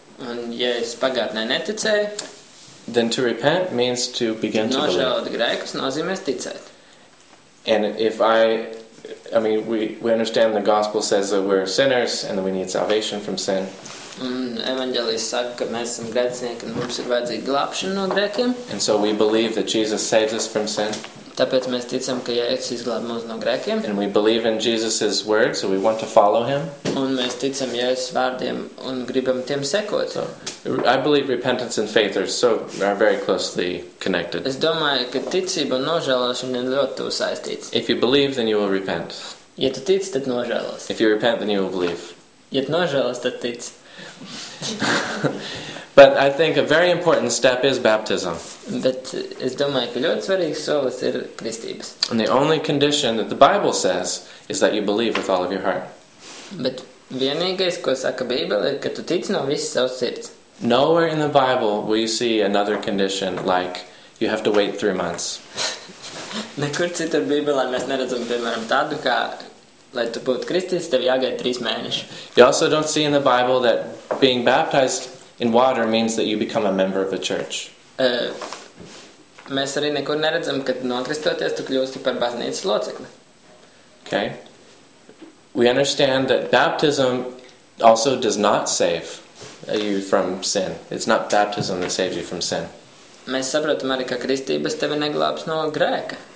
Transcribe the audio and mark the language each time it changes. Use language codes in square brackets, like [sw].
[lv] un ja es pagātnē neticēju, [en] then to repent means to begin to believe. [lv] Nožēlot grēkus nozīmē ticēt. [en] And if I mean, we understand the gospel says that we're sinners and that we need salvation from sin. [lv] Un evaņģēlijs saka, ka mēs esam grēcinieki un mums ir vajadzīga glābšana no grēkiem. [en] And so we believe that Jesus saves us from sin. [lv] Tāpēc mēs ticam, ka Jēzus izglāb mūs no grēkiem. [en] And we believe in Jesus's word, so we want to follow him. [lv] Un mēs ticam Jēzus vārdiem un gribam tiem sekot. [en] So, I believe repentance and faith are very closely connected. [lv] Es domāju, ka ticība un nožēlošana ir ļoti tuvu saistītas. [en] If you believe, then you will repent. [lv] Ja tu tici, tad nožēlos. [en] If you repent, then you will believe. [lv] Ja tu nožēlos, tad tici. [en] But I think a very important step is baptism. [lv] Bet es domāju, ka ļoti svarīgs solis ir kristības. [en] And the only condition that the Bible says is that you believe with all of your heart. [lv] Bet vienīgais, ko saka Bībele, ir, ka tu tici no visas savas sirds. [en] Nowhere in the Bible will you see another condition like you have to wait 3 months. [lv] Nekur citur Bībelē mēs neredzam, piemēram, tādu, kā lai tu būtu kristīts, tev jāgaida 3 mēneši. [en] You also don't see in the Bible that being baptized in water means that you become a member of a church. [lv] Mēs arī nekur neredzam, ka nokristoties tu kļūsti par baznīcas locekli. [en] Okay. We understand that baptism also does not save you from sin. It's not baptism that saves you from sin. [lv] Mēs saprotam arī, ka kristības tevi neglābs no grēka.